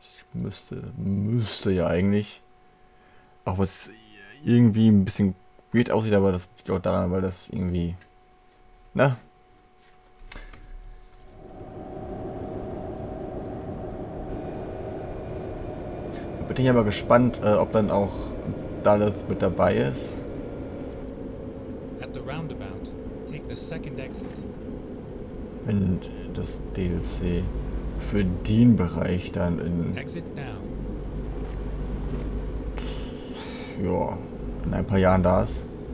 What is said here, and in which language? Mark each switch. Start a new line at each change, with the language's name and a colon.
German: Ich müsste ja eigentlich. Auch was irgendwie ein bisschen weird aussieht, aber das liegt auch daran, weil das irgendwie. Ne? Da bin ich aber gespannt, ob dann auch Dallas mit dabei ist.
English: At the roundabout, take the second exit.
German: Wenn das DLC für den Bereich dann in. Ja, in ein paar Jahren da ist.